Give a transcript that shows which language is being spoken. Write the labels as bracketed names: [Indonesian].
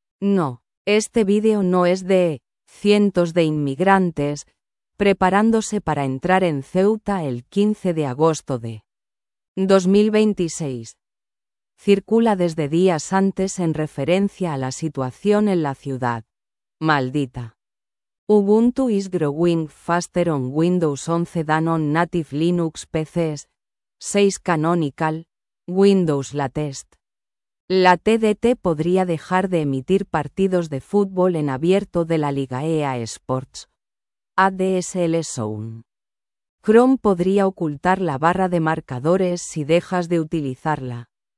[Spanish] No, este vídeo no es de cientos de inmigrantes, preparándose para entrar en Ceuta el 15 de agosto de 2026. Circula desde días antes en referencia a la situación en la ciudad. Maldita. [English] Ubuntu is growing faster on Windows 11 than on native Linux PCs. 6 Canonical. Windows Latest. [Spanish] La TDT podría dejar de emitir partidos de fútbol en abierto de la Liga EA Sports. ADSL Zone. Chrome podría ocultar la barra de marcadores si dejas de utilizarla.